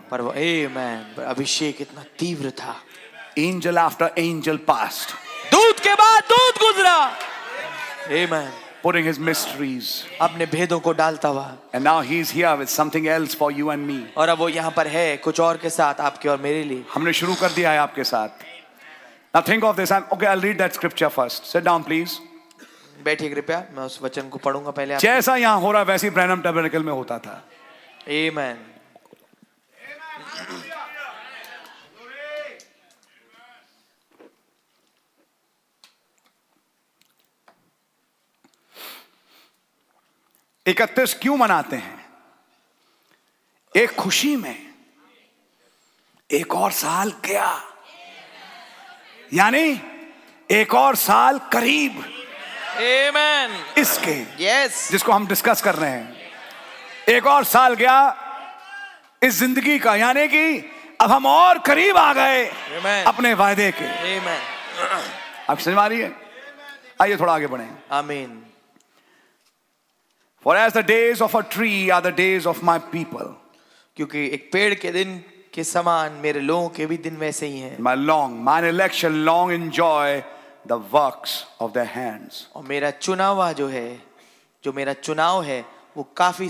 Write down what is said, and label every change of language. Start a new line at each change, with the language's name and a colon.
Hindi: पर वो, amen, पर अभिषेक इतना तीव्र था.
English: Angel after angel passed.
Hindi: दूत के बाद दूत गुजरा. Amen.
English: Putting his mysteries.
Hindi: अपने भेदों को डालता हुआ.
English: And now he's here with something else for you and me.
Hindi: और अब वो यहाँ पर है कुछ और के साथ, आपके और मेरे लिए. हमने शुरू कर दिया है आपके साथ.
English: Now think of this. I'll read that scripture first. Sit down, please.
Hindi: बैठिए कृपया, मैं उस वचन को पढ़ूंगा पहले. जैसा यहाँ हो रहा वैसे ही ब्रैनम टैबरनकल में होता था.
English: Amen.
Hindi: इकतीस क्यों मनाते हैं? एक खुशी में, एक और साल गया, यानी एक और साल करीब.
English: Amen.
Hindi: इसके,
English: yes,
Hindi: जिसको हम डिस्कस कर रहे हैं, एक और साल गया इस जिंदगी का, यानी कि अब हम और करीब आ गए.
English: Amen.
Hindi: अपने वायदे के.
English: Amen.
Hindi: आप समझ में आ रही है? आइए थोड़ा आगे बढ़ें. आमीन.
English: For as the days of a tree are the days of my people.
Hindi: क्योंकि एक पेड़ के दिन के समान मेरे लोगों के भी दिन वैसे ही हैं.
English: Mine elect shall long enjoy the works of their hands.
Hindi: और मेरा चुनाव जो है, जो मेरा चुनाव है, वो काफी